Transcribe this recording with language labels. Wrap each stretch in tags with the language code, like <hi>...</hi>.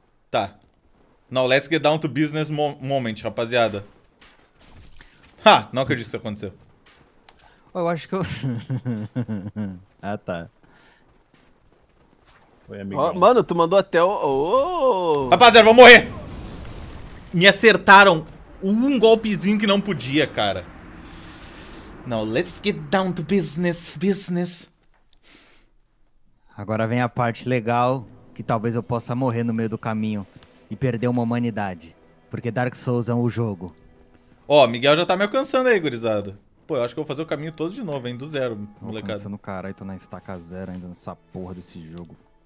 <pt>Tá.</pt> <en>Now let's get down to business moment,</en> <pt>rapaziada. Ha! Não acredito que isso aconteceu. Eu acho que eu. Ah, tá. Oh, mano, tu mandou até o... Oh! Rapaziada, vou morrer! Me acertaram um golpezinho que não podia, cara.</pt> <en>Now, let's get down to business.</en> <pt>Agora vem a parte legal, que talvez eu possa morrer no meio do caminho e perder uma humanidade, porque Dark Souls é um jogo. Ó, Miguel já tá me alcançando aí, gurizada. Pô, eu acho que eu vou fazer o caminho todo de novo, hein, do zero, molecada. Tô alcançando caralho, tô na estaca zero ainda nessa porra desse jogo.</pt>